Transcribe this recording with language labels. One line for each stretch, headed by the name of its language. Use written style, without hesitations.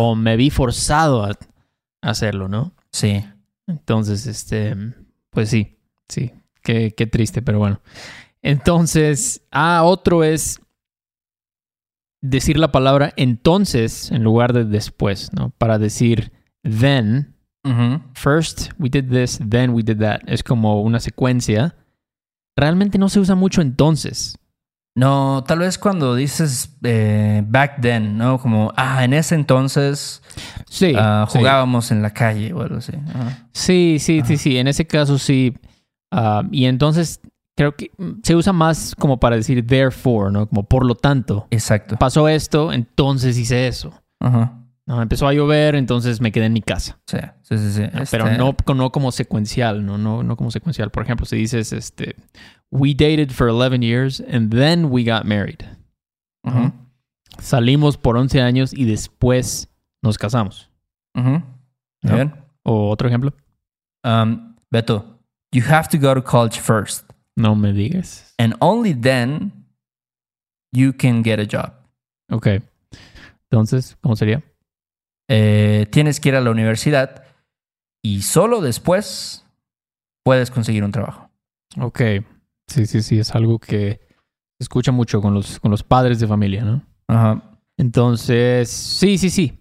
Spanish: O me vi forzado a hacerlo, ¿no? Sí. Entonces, pues sí, sí. Qué triste, pero bueno. Entonces, otro es decir la palabra entonces en lugar de después, ¿no? Para decir
English: then, uh-huh. first we did this, then we did that.
Spanish: Es como una secuencia. Realmente no se usa mucho entonces. No, tal vez cuando dices
English: back then,
Spanish: ¿no? Como, en ese entonces sí, jugábamos sí. en la calle o algo así. Uh-huh. Sí, sí, uh-huh. sí, sí. En ese caso sí. Y entonces creo que se usa más como para decir
English: therefore,
Spanish: ¿no? Como por lo tanto. Exacto. Pasó esto, entonces hice eso. Ajá. No, empezó a llover, entonces me quedé en mi casa. Sí, sí, sí. sí. Pero no como secuencial, ¿no? No como secuencial. Por ejemplo, si dices,
English: we dated for 11 years and then we got married. Ajá. Uh-huh.
Spanish: Salimos por 11 años y después nos casamos. Ajá. Uh-huh. Bien. ¿No? ¿O otro ejemplo? Beto.
English: You have to go to college first.
Spanish: No me digas.
English: And only then you can get a job.
Spanish: Okay. Entonces, ¿cómo sería? Tienes que ir a la universidad y solo después puedes conseguir un trabajo. Okay. Sí, sí, sí. Es algo que se escucha mucho con los padres de familia, ¿no? Ajá. Uh-huh. Entonces, sí, sí, sí.